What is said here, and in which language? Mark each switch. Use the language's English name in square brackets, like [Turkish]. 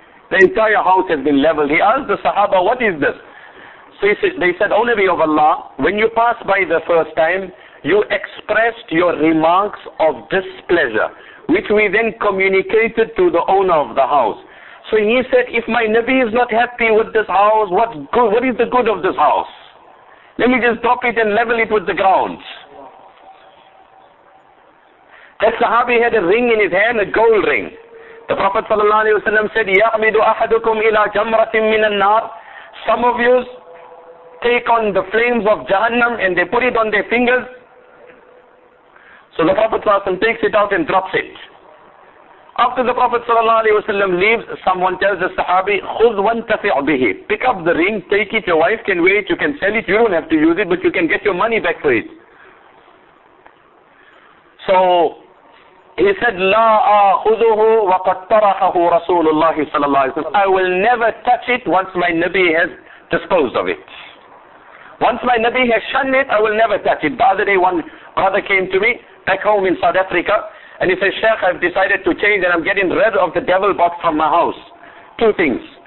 [English] The entire house has been leveled. He asks the Sahaba, what is this? So they said, O Nabi of Allah, when you passed by the first time, you expressed your remarks of displeasure, which we then communicated to the owner of the house. So he said, if my Nabi is not happy with this house, what is the good of this house? Let me just drop it and level it with the ground. That Sahabi had a ring in his hand, a gold ring. The Prophet ﷺ said, [Arabic] يَعْمِدُ أَحَدُكُمْ إِلَىٰ جَمْرَةٍ مِّنَ النَّارِ. [English] Some of you take on the flames of Jahannam and they put it on their fingers. So the Prophet ﷺ takes it out and drops it. After the Prophet ﷺ leaves, someone tells the Sahabi, [Arabic] خُذْ وَانْتَفِعْ بِهِ. [English] Pick up the ring, take it, your wife can wear it, you can sell it, you don't have to use it, but you can get your money back for it. So he said, [Arabic] لَا أَخُذُهُ وَقَدْ طَرَحَهُ رَسُولُ اللَّهِ صَلَى اللَّهِ وَسَلَّمَ. [English] I will never touch it once my Nabi has disposed of it. Once my Nabi has shunned it, I will never touch it. The other day one brother came to me back home in South Africa and he said, Sheikh, I've decided to change and I'm getting rid of the devil box from my house. Two things.